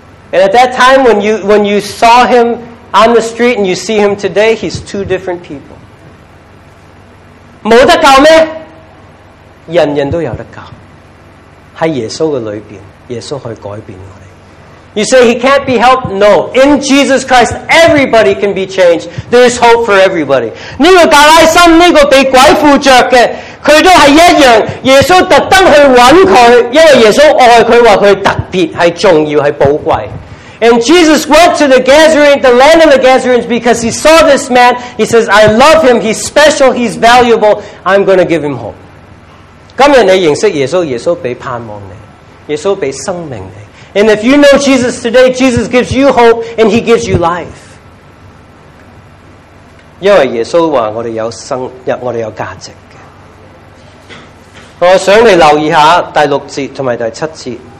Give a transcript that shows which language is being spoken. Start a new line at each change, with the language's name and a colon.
English: And at that time, when you saw him on the street and you see him today, he's two different people.
Cantonese: 没得救咩？人人都有得救。在耶稣的里面，耶稣可以改变我们。
English: You say he can't be helped? No. In Jesus Christ, everybody can be changed. There is hope for everybody.
Cantonese: 这个大拉森这个被鬼附着的，他都是一样，耶稣特地去找他，因为耶稣爱他，说他特别是重要，是宝贵。
English: And Jesus went to the Gazarene, the land of the Gazarenes, because he saw this man. He says, I love him. He's special. He's valuable. I'm going to give him hope.
Cantonese: 今天你认识耶稣，耶稣给盼望你，耶稣给生命你。
English: And if you know Jesus today, Jesus gives you hope and he gives you life.
Cantonese: 因为耶稣说我们有生，我们有价值的。我想你留意一下第六节和第七节。